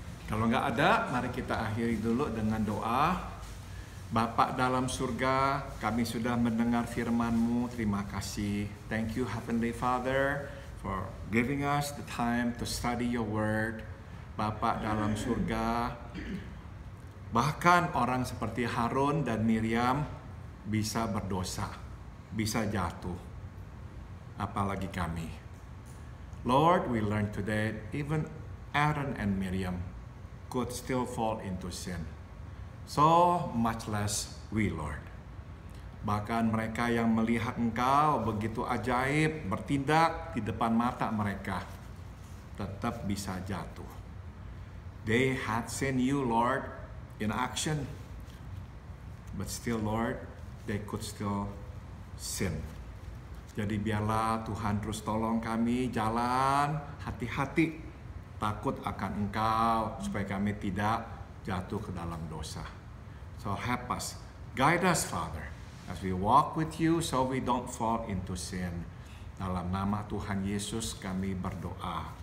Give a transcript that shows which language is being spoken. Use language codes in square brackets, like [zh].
[id] Kalau enggak ada, mari kita akhiri dulu dengan doa. Bapa dalam surga, kami sudah mendengar firman-Mu. Terima kasih. [en] Thank you, Heavenly Father, for giving us the time to study your word. [id] Bapa dalam surga, bahkan orang seperti Harun dan Miriam bisa berdosa, bisa jatuh. Apalagi kami. [en] Lord, we learn today, even Aaron and Miriam could still fall into sin. So much less we, Lord. [id] Bahkan mereka yang melihat Engkau begitu ajaib bertindak di depan mata mereka, tetap bisa jatuh. [en] They had seen you, Lord, in action. But still, Lord, they could still sin. [id] Jadi biarlah Tuhan terus tolong kami jalan hati-hati. Takut akan Engkau supaya kami tidak jatuh ke dalam dosa. [en] So help us, guide us Father, as we walk with you so we don't fall into sin. [id] Dalam nama Tuhan Yesus kami berdoa.